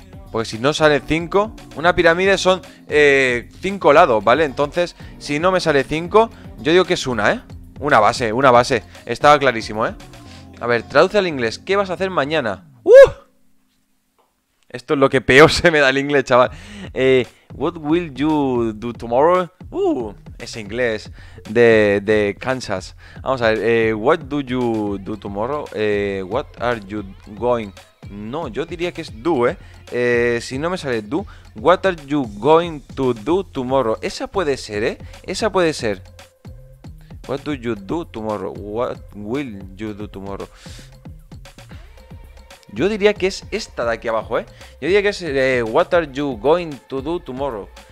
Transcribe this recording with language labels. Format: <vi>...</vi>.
<es>Porque si no sale 5, una pirámide son 5 lados, ¿vale? Entonces, si no me sale 5, yo digo que es una, ¿eh? Una base. Estaba clarísimo, ¿eh? A ver, traduce al inglés. ¿Qué vas a hacer mañana? ¡Uh! Esto es lo que peor se me da el inglés, chaval.</es> <en>What will you do tomorrow?</en> <es>Es inglés de Kansas. Vamos a ver.</es> <en>What do you do tomorrow? What are you going?</en> <es>No, yo diría que es do, ¿eh? Si no me sale do,</es> <en>what are you going to do tomorrow?</en> <es>Esa puede ser, ¿eh? Esa puede ser.</es> <en>What do you do tomorrow? What will you do tomorrow?</en> <es>Yo diría que es esta de aquí abajo, ¿eh? Yo diría que es</es> <en>what are you going to do tomorrow.</en>